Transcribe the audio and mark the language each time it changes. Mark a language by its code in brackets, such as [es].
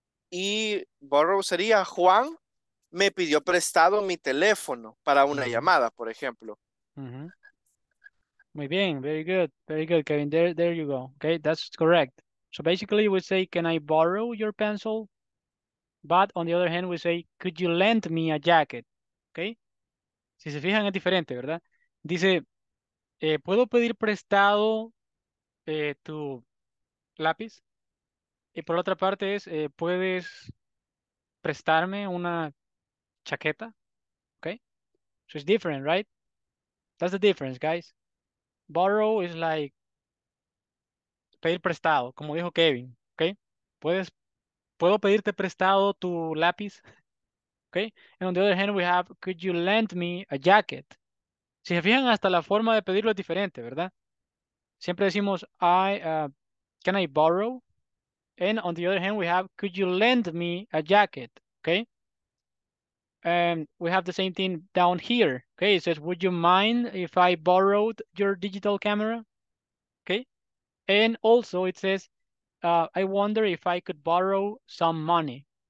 [es] Y borrow sería Juan me pidió prestado mi teléfono para una mm-hmm. llamada, por ejemplo. Mm-hmm. Muy bien, [en] very good, Kevin, there you go, okay, that's correct. So basically we say, can I borrow your pencil? But on the other hand, we say, could you lend me a jacket, okay? [es] Si se fijan es diferente, ¿verdad? Dice, ¿puedo pedir prestado tu lápiz? Y por otra parte es, ¿puedes prestarme una chaqueta? [en] Okay, so it's different, right? That's the difference, guys. Borrow is like [es] pedir prestado, como dijo Kevin, [en] okay? [es] Puedes, puedo pedirte prestado tu lápiz, okay? [en] And on the other hand, we have, could you lend me a jacket? [es] Si se fijan, hasta la forma de pedirlo es diferente, ¿verdad? Siempre decimos, [en] can I borrow? And on the other hand, we have, could you lend me a jacket, okay? And we have the same thing down here. Okay, it says, would you mind if I borrowed your digital camera? Okay. And also it says, I wonder if I could borrow some money.